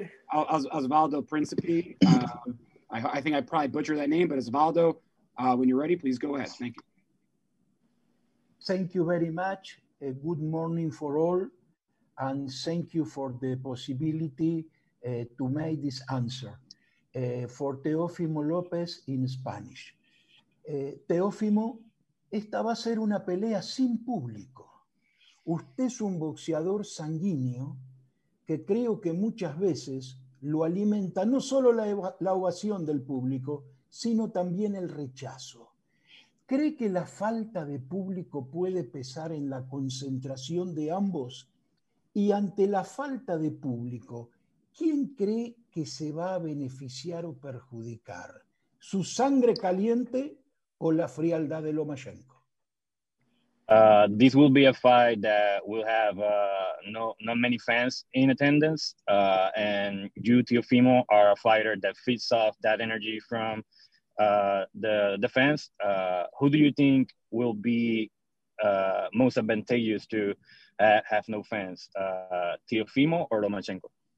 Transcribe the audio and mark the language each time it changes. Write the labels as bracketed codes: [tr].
[en] Osvaldo Principe. I think I probably butchered that name, but Osvaldo, when you're ready, please go ahead. Thank you. Thank you very much. A good morning for all. And thank you for the possibility to make this answer. For Teofimo López in Spanish. [es] Teofimo, esta va a ser una pelea sin público. Usted es un boxeador sanguíneo que creo que muchas veces lo alimenta no solo la ovación del público, sino también el rechazo. ¿Cree que la falta de público puede pesar en la concentración de ambos? Y ante la falta de público, ¿quién cree que se va a beneficiar o perjudicar? ¿Su sangre caliente o la frialdad de Lomachenko? [en] This will be a fight that will have not many fans in attendance. And you, Teofimo, are a fighter that feeds off that energy from the fans. Who do you think will be most advantageous to have no fans, Teofimo or Lomachenko?